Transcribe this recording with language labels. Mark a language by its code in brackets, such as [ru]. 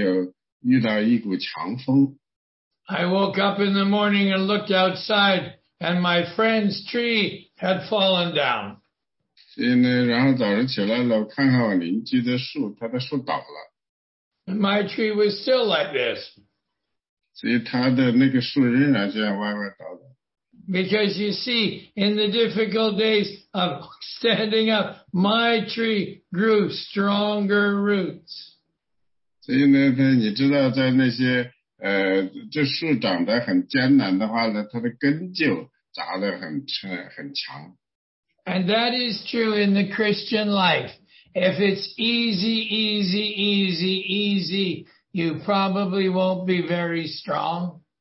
[zh] 所以有天晚上呢，我们有遇到一股强风。 [en] I woke up in the morning and looked outside, and my friend's tree had fallen down. [zh] 所以呢，然后早上起来了，我看看我邻居的树，他的树倒了。 [en] My tree was still like this. [zh] 所以他的那个树仍然这样歪歪倒倒。 [en] Because you see, in the difficult days of standing up, my tree grew stronger roots. [zh] 所以呢，你知道在那些 这树长得很艰难的话呢，它的根就扎得很强。 [en] And that is true in the Christian life. If it's easy, easy, easy, easy, you probably won't be very strong.